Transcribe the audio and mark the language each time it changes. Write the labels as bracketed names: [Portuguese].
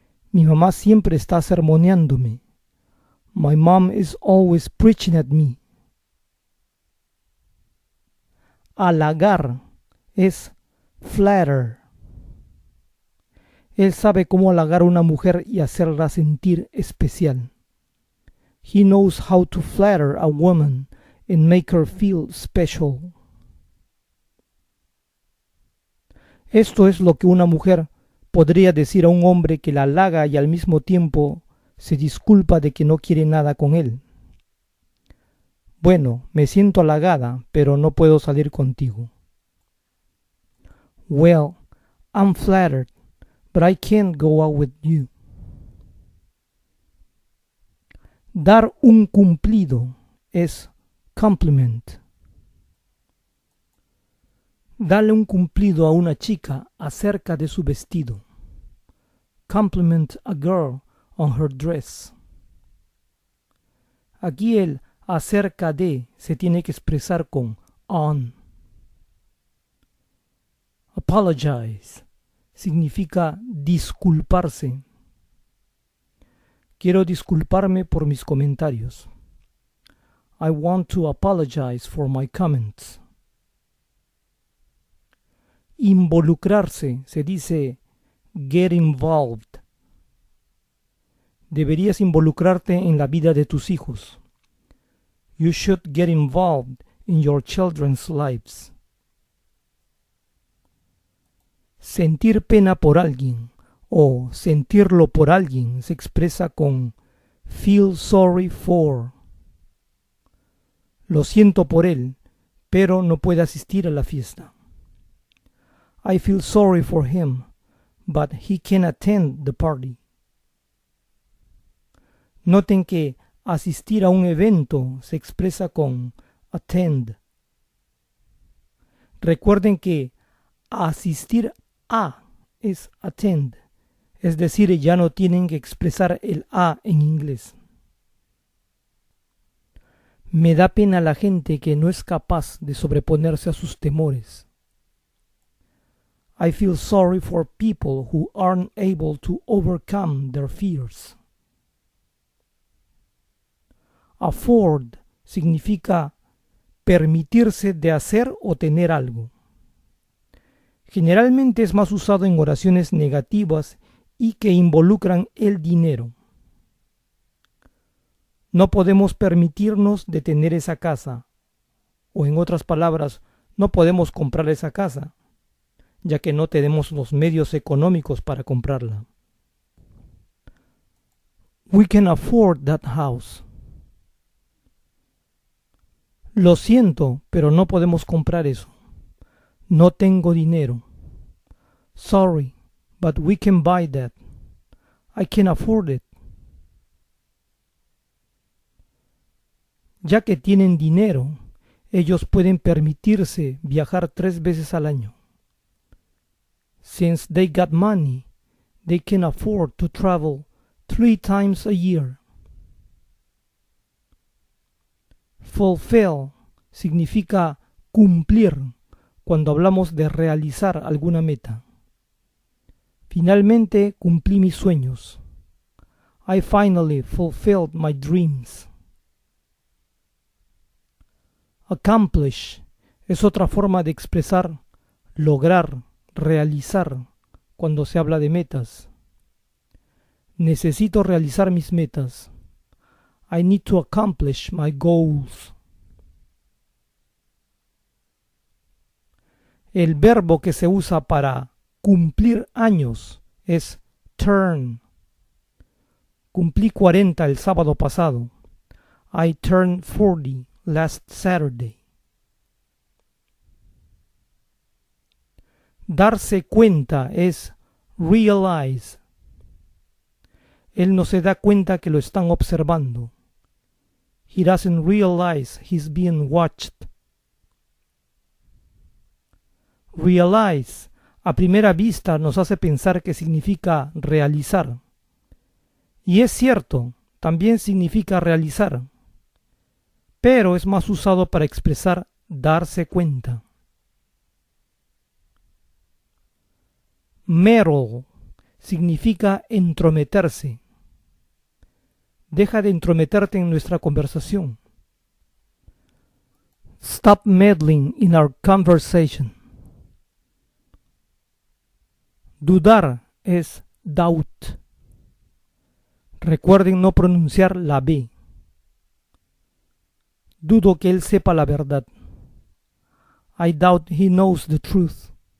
[Spanish] Mi mamá siempre está sermoneándome. [English] My mom is always preaching at me. [Spanish] Halagar es flatter. Él sabe cómo halagar a una mujer y hacerla sentir especial. [English] He knows how to flatter a woman and make her feel special. [Spanish] Esto es lo que una mujer podría decir a un hombre que la halaga y al mismo tiempo se disculpa de que no quiere nada con él. Bueno, me siento halagada, pero no puedo salir contigo. [English] Well, I'm flattered, but I can't go out with you. [Spanish] Dar un cumplido es compliment. Dale un cumplido a una chica acerca de su vestido. [English] Compliment a girl on her dress. [Spanish] Aquí el acerca de se tiene que expresar con on. Apologize significa disculparse. Quiero disculparme por mis comentarios. [English] I want to apologize for my comments. [Spanish] Involucrarse se dice get involved. Deberías involucrarte en la vida de tus hijos. [English] You should get involved in your children's lives. [Spanish] Sentir pena por alguien o sentirlo por alguien se expresa con feel sorry for. Lo siento por él, pero no puede asistir a la fiesta. [English] I feel sorry for him, but he can't attend the party. [Spanish] Noten que asistir a un evento se expresa con attend. Recuerden que asistir a es attend, es decir, ya no tienen que expresar el a en inglés. Me da pena la gente que no es capaz de sobreponerse a sus temores. [English] I feel sorry for people who aren't able to overcome their fears. [Spanish] Afford significa permitirse de hacer o tener algo. Generalmente es más usado en oraciones negativas y que involucran el dinero. No podemos permitirnos de tener esa casa. O en otras palabras, no podemos comprar esa casa, ya que no tenemos los medios económicos para comprarla. [English] We can afford that house. [Spanish] Lo siento, pero no podemos comprar eso. No tengo dinero. [English] Sorry, but we can buy that. I can afford it. [Spanish] Ya que tienen dinero, ellos pueden permitirse viajar 3 veces al año. [English] Since they got money, they can afford to travel 3 times a year. [Spanish] Fulfill significa cumplir cuando hablamos de realizar alguna meta. Finalmente cumplí mis sueños. [English] I finally fulfilled my dreams. [Spanish] Accomplish es otra forma de expresar lograr, realizar cuando se habla de metas. Necesito realizar mis metas. [English] I need to accomplish my goals. [Spanish] El verbo que se usa para cumplir años es turn. Cumplí 40 el sábado pasado. [English] I turned 40 last Saturday. [Spanish] Darse cuenta es realize. Él no se da cuenta que lo están observando. [English] He doesn't realize he's being watched. [Spanish] Realize, a primera vista, nos hace pensar que significa realizar. Y es cierto, también significa realizar. Pero es más usado para expresar darse cuenta. Meddle significa entrometerse. Deja de entrometerte en nuestra conversación. [English] Stop meddling in our conversation. [Spanish] Dudar es doubt. Recuerden no pronunciar la B. Dudo que él sepa la verdad. [English] I doubt he knows the truth.